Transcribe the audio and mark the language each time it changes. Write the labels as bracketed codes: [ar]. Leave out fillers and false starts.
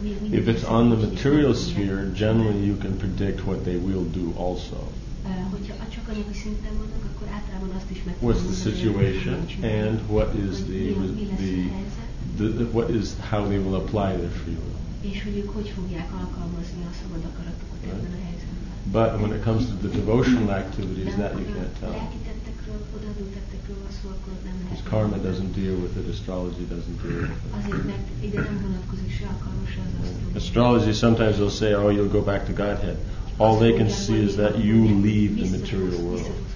[en] If it's on the material sphere, generally you can predict what they will do also. What's the situation and what is how they will apply their free will. [hu] És hogy ők hogy fogják alkalmazni a szabad akaratokat ebben a helyzetben. [en] But when it comes to the devotional activities, that you can't tell. Because karma doesn't deal with it, astrology doesn't deal with it. [hu] Azért, mert ide nem vonatkozik se a karma, se az asztrologia. [en] Astrology, sometimes they'll say, oh, you'll go back to Godhead. All they can see is that you leave the material world.